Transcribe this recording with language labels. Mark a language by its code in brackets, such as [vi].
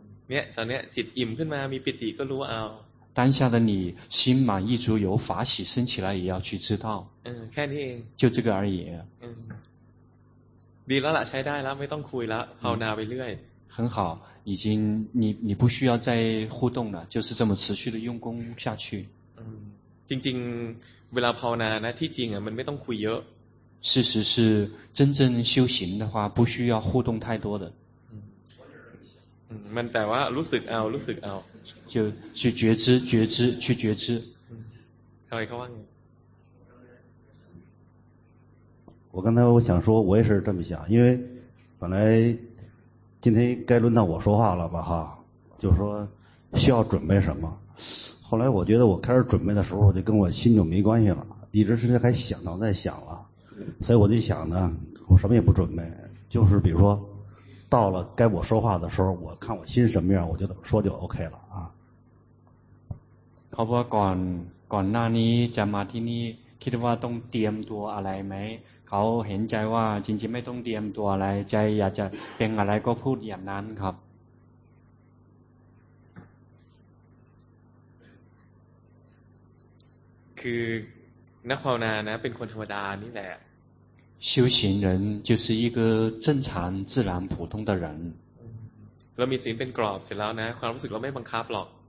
[th] เนี่ยตอนเนี้ยจิตอิ่มขึ้นมามีปิติก็รู้เอา [zh] 当下的你心满意足有法喜升起来也要去知道 [th] แค่นี้เอง [zh] 就这个而已 [th] ดีแล้วล่ะใช้ได้แล้วไม่ต้องคุยแล้วภาวนาไปเรื่อย [zh] 很好已经你不需要再互动了就是这么持续的用功下去 [th] จริงๆเวลาภาวนานะที่จริงอ่ะมันไม่ต้องคุยเยอะ [zh] 事实是真正修行的话不需要互动太多的 [th] มันแต่ว่ารู้สึกเอารู้สึกเอา [zh] 就去觉知觉知去觉知 [th] เขาไปเขาว่าไง [zh] 我刚才我想说我也是这么想因为本来今天该轮到我说话了吧哈就是说需要准备什么后来我觉得我开始准备的时候就跟我心就没关系了一直是在还想到在想了所以我就想呢我什么也不准备就是比如说到了该我说话的时候我看我心什么样我就怎么说就 OK 了啊好不好 [th] ก่อนหน้านี้จะมาที่นี่คิดว่าต้องเตรียมตัวอะไรไหมเขาเห็นใจว่าจริงๆไม่ต้องเตรียมตัวอะไรใจอยากจะเป็นอะไรก็พูดอย่างนั้นครับ คือนักภาวนานะเป็นคนธรรมดานี่แหละ [zh] 修行人就是一个正常自然普通的人 [th] เรามีศีลเป็นกรอบเสร็จแล้วนะความรู้สึกเราไม่บังคับหรอก